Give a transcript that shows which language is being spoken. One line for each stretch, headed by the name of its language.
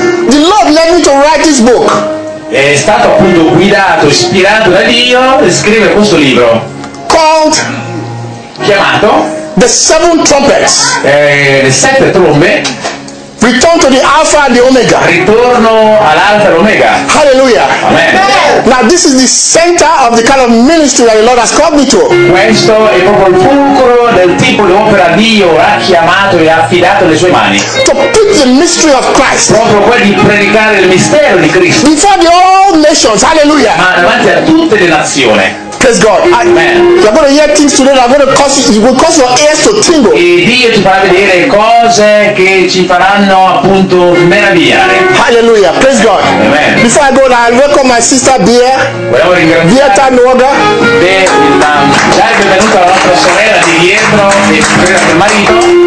English: The Lord led me to write this book.
Italian: È stato appunto guidato, ispirato da Dio e scrive questo libro.
English: Called
Italian: chiamato
English: The Seven Trumpets.
Italian: Le sette trombe.
English: Return to the Alpha and the Omega.
Italian: Ritorno all'Alfa e all'Omega.
English: Hallelujah. Amen. Now this is the center of the kind of ministry that the Lord has called me to.
Italian: Questo è proprio il fulcro del tipo di opera Dio ha chiamato e affidato le sue mani.
English: To preach the mystery of Christ.
Italian: Proprio quello di predicare il mistero di Cristo.
English: Before the all nations. Hallelujah.
Italian: Ma davanti a tutte le nazioni.
English: Praise God. Amen. You're going to hear things today that are going to cause your ears to tingle.
Italian: E Dio ti farà vedere cose che ci faranno appunto meravigliare.
English: Hallelujah. Praise God. Amen. Before I go, I welcome my sister Bia.
Italian: Volevo ringraziare Bia Tanoga. Dare il benvenuto alla nostra sorella di dietro e il marito.